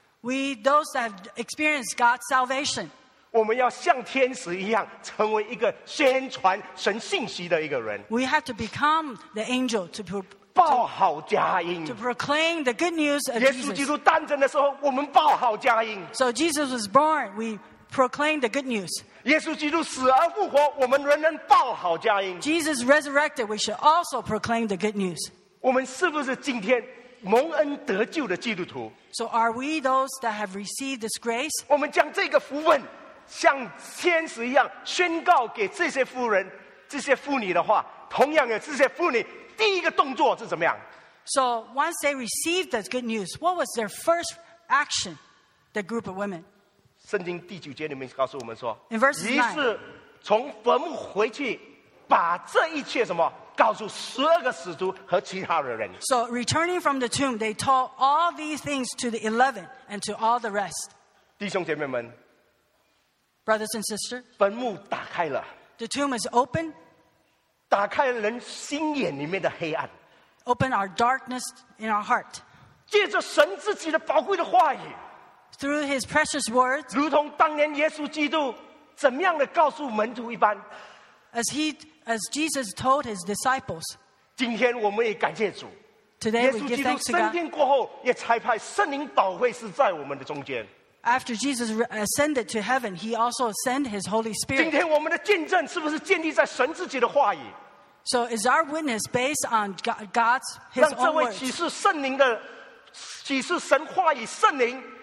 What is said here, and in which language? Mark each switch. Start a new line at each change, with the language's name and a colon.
English: We those that have experienced God's salvation,
Chinese: 我们要像天使一样成为一个宣传神信息的一个人，
English: We have to become the angel to
Chinese: 报好佳音，
English: to proclaim the good news of Jesus.
Chinese: 耶稣基督诞生的时候我们报好佳音，
English: So Jesus was born, we proclaim the good news.
Chinese: 耶稣基督死而复活，我们人人报好佳音。
English: Jesus resurrected, we should also proclaim the good news.
Chinese: 我们是不是今天蒙恩得救的基督徒？
English: So are we those that have received this grace?
Chinese: 我们将这个福分像天使一样宣告给这些妇人、这些妇女的话，同样的，这些妇女第一个动作是怎么样？
English: So once they received this good news, what was their first action? The group of women.
Chinese: 圣经第九节里面告诉我们说，
English: In verse 9,
Chinese: 于是从坟墓回去，把这一切什么告诉十二个使徒和其他的人。
English: So returning from the tomb, they told all these things to the 11 and to all the rest.
Chinese: 弟兄姐妹们，
English: brothers and sisters,
Chinese: 坟墓打开了，
English: the tomb is open,
Chinese: 打开人心眼里面的黑暗，
English: open our darkness in our heart.
Chinese: 借着神自己的宝贵的话语。
English: Through his precious words,
Chinese: 如同当年耶稣基督怎么样的告诉门徒一般，
English: as Jesus told his disciples,
Chinese: 今天我们也感谢主，
English: Today we give thanks to God.
Chinese: 耶稣基督升天过后，也差派圣灵保惠师在我们的中间。
English: After Jesus ascended to heaven, he also sent his Holy Spirit.
Chinese: 今天我们的见证是不是建立在神自己的话语？
English: So is our witness based on God's, his own words?
Chinese: 让这位启示圣灵的，启示神话语圣灵。